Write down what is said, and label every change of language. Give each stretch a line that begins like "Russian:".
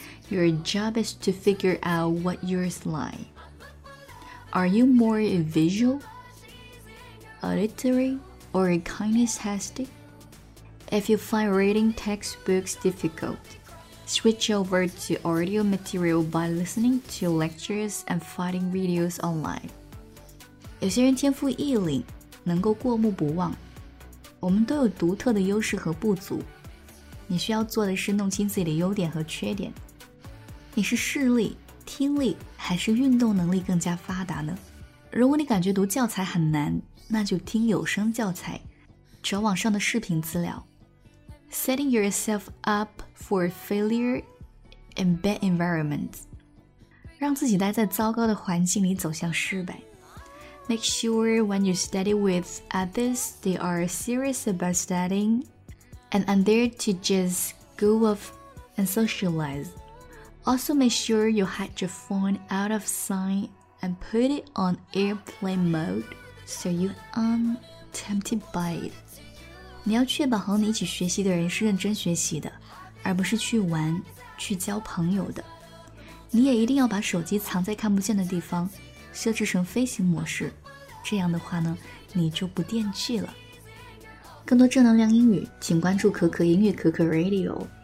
English: Your job is to figure out what yours lie. Are you more a visual, auditory, or a kinesthetic? If you find reading textbooks difficult, switch over to audio material by listening to lectures and finding videos online.
Chinese: 有些人天赋异禀，能够过目不忘。我们都有独特的优势和不足。你需要做的是弄清自己的优点和缺点。你是视力、听力还是运动能力更加发达呢？如果你感觉读教材很难，那就听有声教材，找网上的视频资料。
English: Setting yourself up for failure in bad environments.
Chinese: 让自己待在糟糕的环境里走向失败。
English: Make sure when you study with others, they are serious about studying and are there to just go off and socialize. Also make sure you hide your phone out of sight and put it on airplane mode so you aren't tempted by it.
Chinese: 你要确保和你一起学习的人是认真学习的，而不是去玩、去交朋友的。你也一定要把手机藏在看不见的地方，设置成飞行模式。这样的话呢，你就不惦记了。更多正能量英语，请关注可可英语可可 Radio。